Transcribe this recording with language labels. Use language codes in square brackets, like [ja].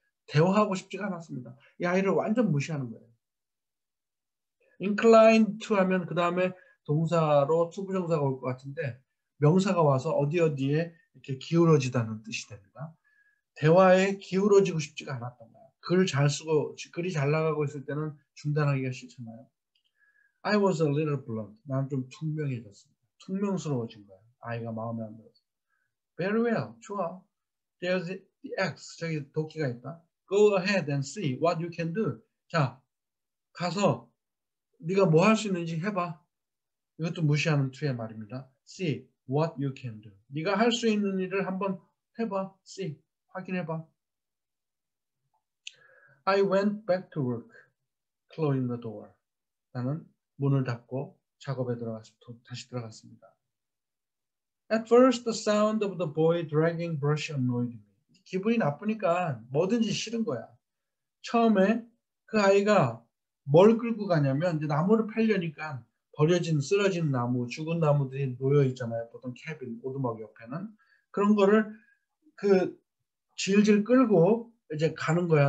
[ko] 대화하고 싶지가 않았습니다. 이 아이를 완전 무시하는 거예요. inclined to 하면 그 다음에 동사로 투부정사가 올것 같은데 명사가 와서 어디 어디에 이렇게 기울어지다는 뜻이 됩니다. 대화에 기울어지고 싶지가 않았던 거예요. 글잘 쓰고 글이 잘 나가고 있을 때는 중단하기가 싫잖아요. [en] I was a little blunt. [ko] 난좀 투명해졌습니다. 투명스러워진 거예요. [en] 아이가 마음에 안 들어서. Very well. [ko] 좋아. [en] There's the axe. [ko] 저기 도끼가 있다. [en] Go ahead and see what you can do. [ko] 자, 가서 네가 뭐 할 수 있는지 해봐. 이것도 무시하는 투의 말입니다. [en] See what you can do. [ko] 네가 할 수 있는 일을 한번 해봐. [en] See. [ko] 확인해봐. [en] I went back to work. Closing the door. [ko] 나는 문을 닫고 작업에 들어가서 다시 들어갔습니다. [en] At first, the sound of the boy dragging brush annoyed me. [ko] 기분이 나쁘니까 뭐든지 싫은 거야. 처음에 그 아이가 뭘 끌고 가냐면 이제 나무를 팔려니까 버려진 쓰러진 나무, 죽은 나무들이 놓여 있잖아요. 보통 캐빈, 오두막 옆에는 그런 거를 그 질질 끌고 이제 가는 거야.